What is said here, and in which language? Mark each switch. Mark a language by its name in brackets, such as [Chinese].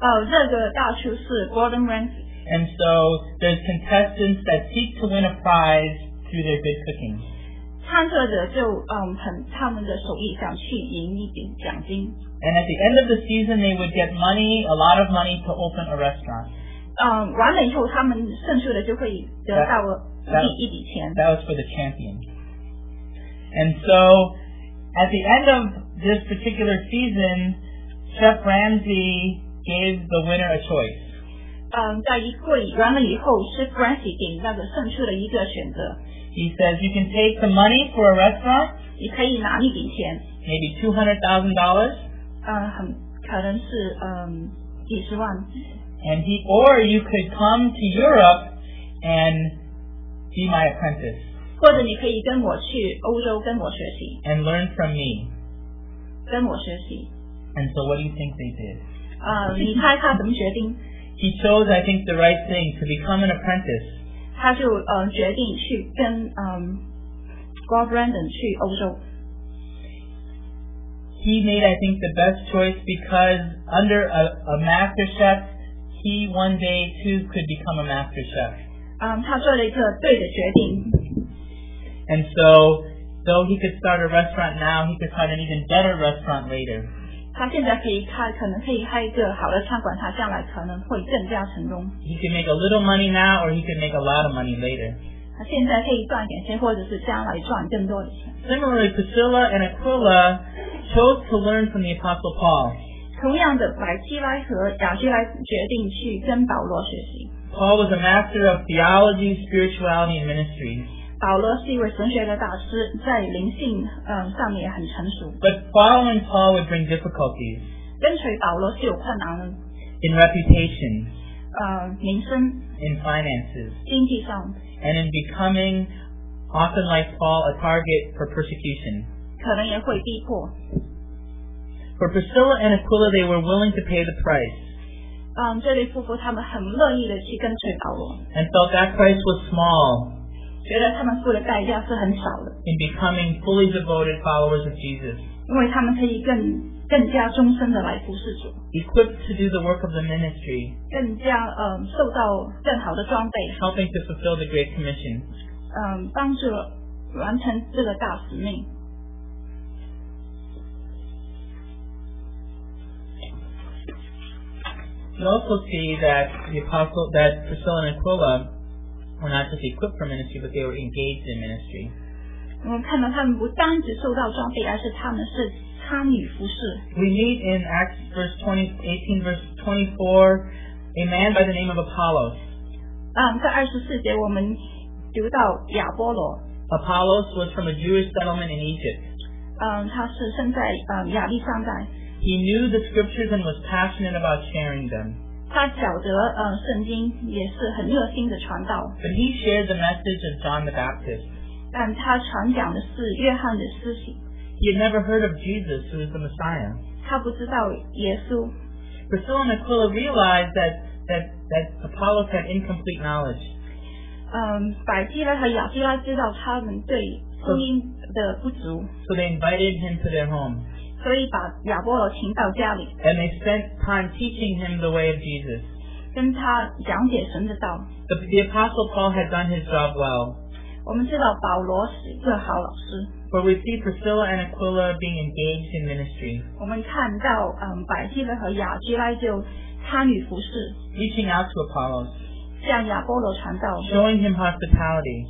[Chinese] 这个大厨是 Gordon Ramsay. [English] And so there's contestants that seek to win a prize through their good cooking. [Chinese] 参赛者就凭他们的手艺想去赢一点奖金。 [English] And at the end of the season, they would get money, a lot of money, to open a restaurant. [Chinese] 完了以后，他们胜出的就会得到一笔钱。 [English] That was for the champion. And so, at the end of this particular season, Chef Ramsay gave the winner a choice. [Chinese] 在一会完了以后 ，Chef Ramsay 给那个胜出的一个选择。 [English] He says, you can take some money for a restaurant. [Chinese] 你可以拿一笔钱。 [English] Maybe $200,000. [Chinese] 可能是几十万。 [English] And he, or you could come to Europe and be my apprentice. [Chinese] 或者你可以跟我去欧洲跟我学习。 [English] And learn from me. [Chinese] 跟我学习。 [English] And so what do you think they did? [Chinese] 你猜他怎么决定？ [English] He chose, I think, the right thing, to become an apprentice. [Chinese] 他就决定去跟Gord Brandon 去欧洲。 [English] He made, I think, the best choice because under a master chef, he one day too could become a master chef. [Chinese] 他做了一个对的决定。 [English] And so, though he could start a restaurant now, he could start an even better restaurant later. [Chinese] 他现在可以，他可能可以开一个好的餐馆，他将来可能会更加成功。 [English] He can make a little money now, or he can make a lot of money later. [Chinese] 他现在可以赚点钱，或者是将来赚更多的钱。 [English] Similarly, Priscilla and Aquila chose to learn from the Apostle Paul. [Chinese] 同样的，百基拉和亚基拉决定去跟保罗学习。 [English] Paul was a master of theology, spirituality, and ministry. [Chinese] 保罗是一位神学的大师，在灵性上面也很成熟。 [English] But following Paul would bring difficulties. [Chinese] 跟随保罗是有困难的。 [English] In reputation. [Chinese] 名声。 [English] In finances. [Chinese] 经济上。 [English] And in becoming, often like Paul, a target for persecution. [Chinese] 可能也会逼迫。 [English] For Priscilla and Aquila, they were willing to pay the price. [Chinese] 这对夫妇他们很乐意的去跟随保罗。 [English] And felt that price was small. [Chinese] 觉得他们付的代价是很少的。 [English] In becoming fully devoted followers of Jesus. [Chinese] 因为他们可以更加终身的来服侍主。 [English] Equipped to do the work of the ministry. [Chinese] 更加受到更好的装备。 [English] Helping to fulfill the Great Commission. [Chinese] 帮助完成这个大使命。 [English] You also see that the apostle that Priscilla and Aquila. Were not just equipped for ministry, but they were engaged in ministry. [Chinese] 我看到他们不单只受到装备，而是他们是参与服事。 [English] We meet in Acts 18:24, a man by the name of Apollos. [Chinese] 在二十四节我们读到亚波罗。 [English] Apollos was from a Jewish settlement in Egypt. [Chinese] 他是生在亚历山大。 [English] He knew the scriptures and was passionate about sharing them. [Chinese] 他晓得圣经也是很热心的传道。 [English] But he shared the message of John the Baptist. [Chinese] 但他传讲的是约翰的施洗。 [English] He had never heard of Jesus who is the Messiah. [Chinese] 他不知道耶稣。 [English] Priscilla and Aquila realized that Apollos had incomplete knowledge. [Chinese] 百基拉和亚基拉知道他们对福音的不足。 [English] So they invited him to their home. [Chinese] 所以把亚波罗请到家里 [English] and they spent time teaching him the way of Jesus [Chinese] 跟他讲解神的道 [English] the apostle Paul had done his job well [Chinese] 我们知道保罗是一个好老师 [English] but we see Priscilla and Aquila being engaged in ministry [Chinese] 我们看到百基拉和亚基拉就参与服事 [English] teaching out to Apollos [Chinese] 向亚波罗传道 [English] showing him hospitality